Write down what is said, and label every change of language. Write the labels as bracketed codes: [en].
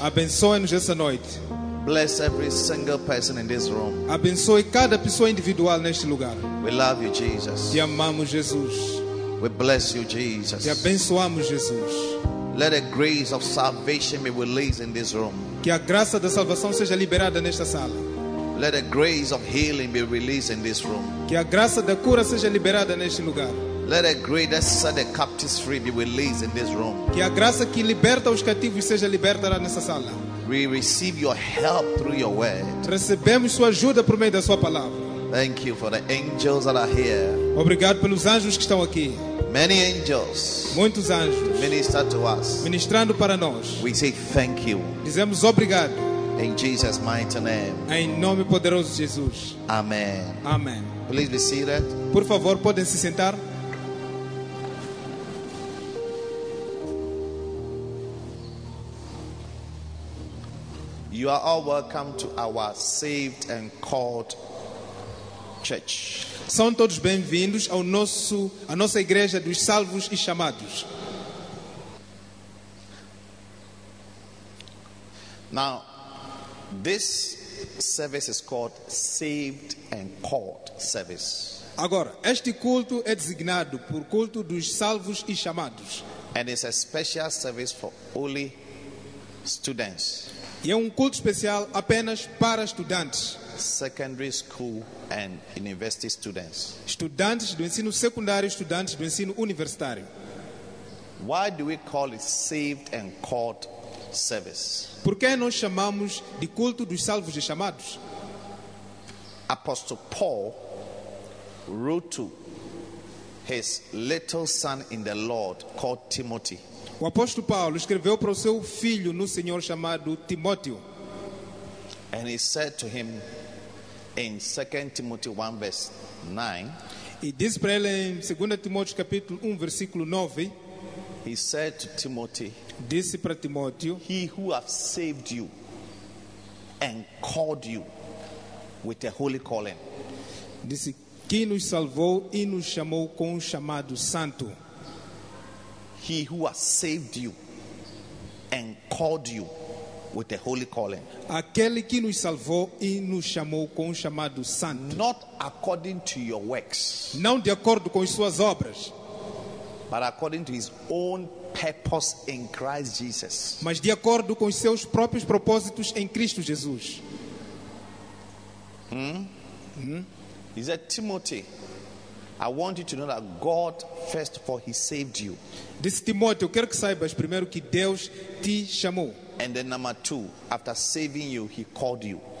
[pt] Abençoe-nos esta noite. [en] Bless every single person in this room. [pt] Abençoe cada pessoa individual neste lugar. [en] We love you, Jesus. [pt] Te amamos, Jesus. [en] We bless you, Jesus. [pt] Te abençoamos, Jesus. [en] Let a grace of salvation be released in this room. [pt] Que a graça da salvação seja liberada nesta sala. [en] Let a grace of healing be released in this room. [pt] Que a graça da cura seja liberada neste lugar. [en] Let a grace that set the captives free be released in this room. [pt] Que a graça que liberta os cativos seja liberada nesta sala. [en] We receive your help through your word. [pt] Recebemos sua ajuda por meio da sua palavra. [en] Thank you for the angels that are here. [pt] Obrigado pelos anjos que estão aqui. [en] Many angels. [pt] Muitos anjos. [en] Minister to us. [pt] Ministrando para nós. [en] We say thank you. [pt] Dizemos obrigado. [en] In Jesus' mighty name. [pt] Em nome poderoso de Jesus. Amen. Amen. [en] Please be seated. [pt] Por favor, podem se sentar. [en] You are all welcome to our saved and called church. [pt] São todos bem-vindos ao nosso à nossa igreja dos salvos e chamados. [en] Now, this service is called Saved and Called Service. [pt] Agora, este culto é designado por culto dos salvos e chamados. [en] And it's a special service for only students. [pt] E é um culto especial apenas para estudantes. [en] Secondary school and university students. [pt] Estudantes do ensino secundário, estudantes do ensino universitário. [en] Why do we call it saved and called service? [pt] Por que nós chamamos de culto dos salvos e chamados? [en] Apostle Paul wrote to his little son in the Lord called Timothy. [pt] O apóstolo Paulo escreveu para o seu filho no Senhor chamado Timóteo. [en] And he said to him in 2 Timothy 1 verse 9. [pt] E disse para ele em 2 Timóteo capítulo 1 versículo 9. [en] He said to Timothy. [pt] Disse para Timóteo. [en] He who have saved you and called you with a holy calling. [pt] Disse que nos salvou e nos chamou com um chamado santo. [en] He who has saved you and called you with a holy calling. [pt] Aquele que nos salvou e nos chamou com um chamado santo. [en] Not according to your works. [pt] Não de acordo com as suas obras. [en] But according to his own purpose in Christ Jesus. [pt] Mas de acordo com os seus próprios propósitos em Cristo Jesus. [en] He said, Timothy, I want you to know that God first for he saved you. [pt] Disse Timóteo, eu quero que saibas primeiro que Deus te chamou. [en] And then number two, after saving you, he called you.